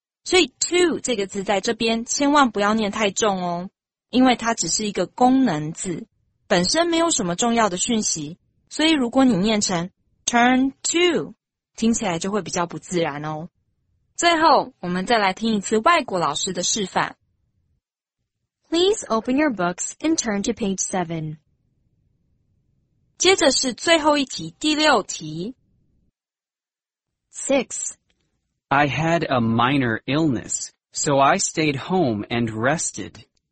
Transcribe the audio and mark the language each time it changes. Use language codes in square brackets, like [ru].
[zh] 所以 to 这个字在这边千万不要念太重哦，因为它只是一个功能字，本身没有什么重要的讯息，所以如果你念成 [en] turn to [zh] 听起来就会比较不自然哦。最后，我们再来听一次外国老师的示范。 [en] Please open your books and turn to page 7. [zh] 接着是最后一题，第六题。 [en] 6. I had a minor illness, so I stayed home and rested.